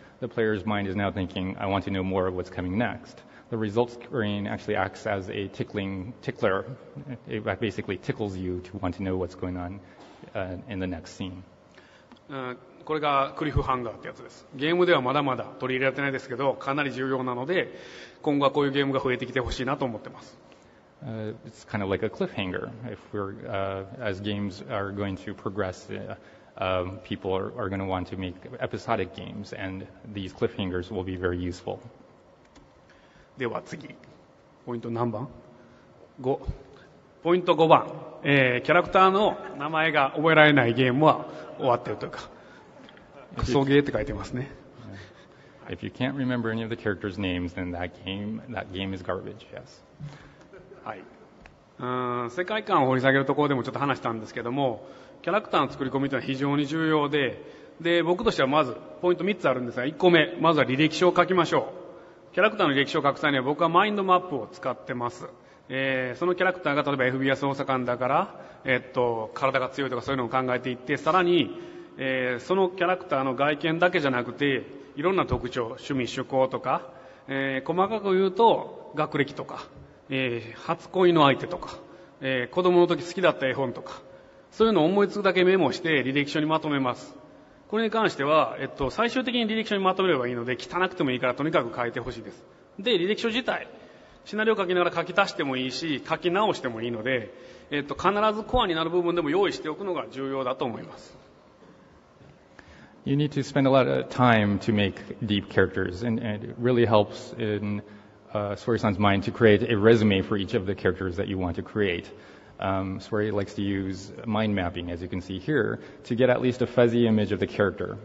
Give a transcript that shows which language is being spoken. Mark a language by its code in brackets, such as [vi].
[en] The player's mind is now thinking, I want to know more of what's coming next. The result screen actually acts as a tickler. It basically tickles you to want to know what's going on, in the next scene. [ja] これがクリフハンガーってやつです。ゲームではまだまだ取り入れられてないですけど、かなり重要なので、今後はこういうゲームが増えてきてほしいなと思ってます。 [en] It's kind of like a cliffhanger. If we're, as games are going to progress, people are going to want to make episodic games, and these cliffhangers will be very useful. [ja] では次、ポイント何番？5。ポイント5番、キャラクターの名前が覚えられないゲームは終わってるというか、クソゲーって書いてますね。 [en] If you can't remember any of the characters' names, then that game is garbage. Yes. [ja] はい、世界観を掘り下げるところでもちょっと話したんですけども、キャラクターの作り込みというのは非常に重要 で僕としてはまずポイント3つあるんですが、1個目、まずは履歴書を書きましょう。キャラクターの履歴書を書く際には僕はマインドマップを使ってます。そのキャラクターが例えば FBI 捜査官だから、体が強いとかそういうのを考えていって、さらに、そのキャラクターの外見だけじゃなくていろんな特徴、趣味趣向とか、細かく言うと学歴とか、初恋の相手とか、子供の時好きだった絵本とか、そういうのを思いつくだけメモして履歴書にまとめます。これに関しては、最終的に履歴書にまとめればいいので、汚くてもいいからとにかく書いてほしいです。で、履歴書自体シナリオを書きながら書き足してもいいし、書き直してもいいので、必ずコアになる部分でも用意しておくのが重要だと思います。 [en] You need to spend a lot of time to make deep characters, and it really helps in Sori-san's mind to create a resume for each of the characters that you want to create. Sori likes to use mind mapping, as you can see here, to get at least a fuzzy image of the character.